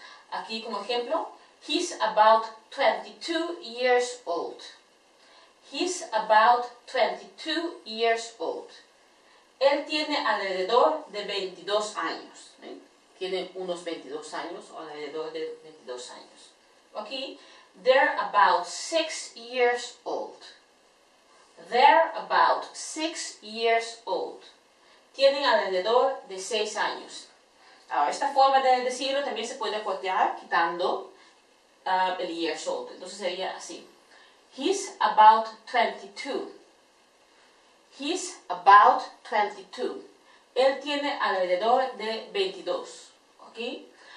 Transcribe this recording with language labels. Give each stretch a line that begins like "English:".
Spanish: Aquí como ejemplo,
English: he's about 22 years old. He's about 22 years old.
Spanish: Él tiene alrededor de 22 años. ¿Eh? Tiene unos 22 años o alrededor de 22 años. Aquí,
English: they're about 6 years old. They're about 6 years old.
Spanish: Tienen alrededor de 6 años. Ahora, esta forma de decirlo también se puede cortar quitando el
English: years old.
Spanish: Entonces sería así.
English: He's about 22. He's about 22.
Spanish: Él tiene alrededor de 22. ¿Okay?